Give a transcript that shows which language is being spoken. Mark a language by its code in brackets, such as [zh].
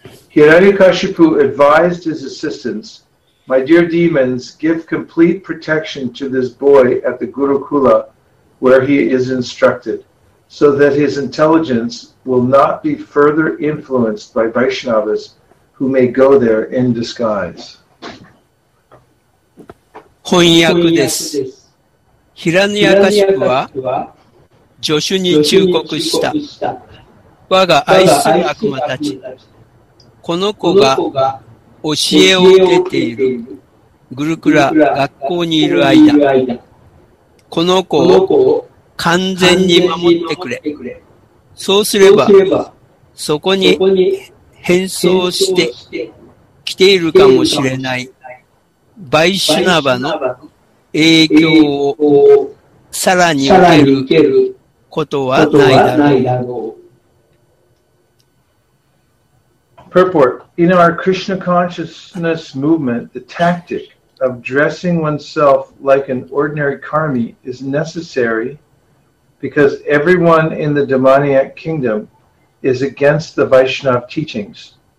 [en] Hiranyakashipu advised his assistants, My dear demons, give complete protection to this boy at the Gurukula where he is instructed, so that his intelligence will not be further influenced by Vaishnavas who may go there in disguise. [ja] 翻訳です。ヒラニヤカシプは助手に忠告した。我が愛する悪魔たち、この子が教えを受けているグルクラ学校にいる間、この子を完全に守ってくれ。そうすれば、そこに変装して来ているかもしれない。バイシュナバの影響をさらに受けることはないだろう。 [en] Purport. In our Krishna consciousness movement, the tactic of dressing oneself like an ordinary karmi is necessary because everyone in the demoniac kingdom is against the Vaishnava teachings.